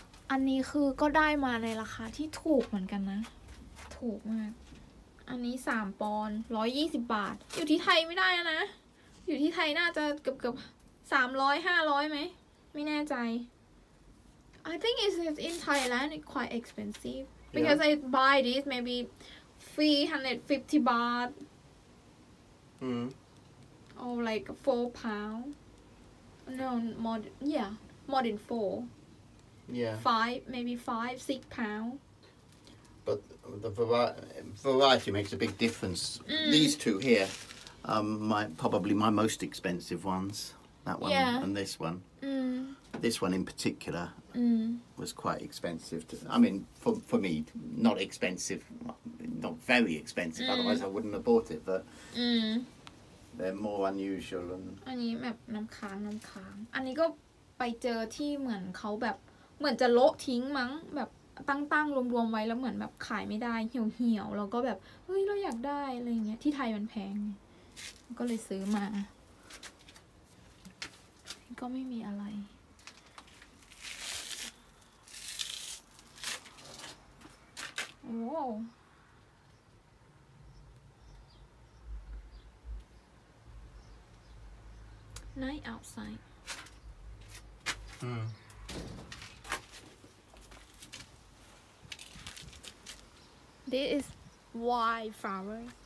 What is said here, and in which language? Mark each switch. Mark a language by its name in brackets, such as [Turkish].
[Thai] อันนี้คือก็ได้มาในราคาที่ถูกเหมือนกันนะถูกมากอันนี้3ปอนด์120บาทอยู่ที่ไทยไม่ได้นะอยู่ที่ไทยน่าจะเกือบๆ300 500มั้ยไม่แน่ใจ [English] I think it's in Thailand it's quite expensive because yeah. I buy this maybe 350 baht mm. or like 4 pound no more yeah more than 4 Yeah. Five, maybe six pounds. But the variety makes a big difference. Mm. These two here, my most expensive ones. That one yeah. and this one. Mm. This one in particular mm. was quite expensive. For me, not expensive, not very expensive. Mm. Otherwise, I wouldn't have bought it. But mm. they're more unusual. And [Thai] อันนี้แบบน้ำค้างน้ำค้างอันนี้ก็ไปเจอที่เหมือนเขาแบบ เหมือนจะโละทิ้งมั้งแบบตั้งๆรวมๆไว้แล้วเหมือนแบบขายไม่ได้เ หี่ยวๆแล้วก็แบบเฮ้ยเราอยากได้อะไรเงี้ยที่ไทยมันแพง ก็เลยซื้อมาก็ไม่มีอะไรโอ้ [English] Night outside This is wildflower.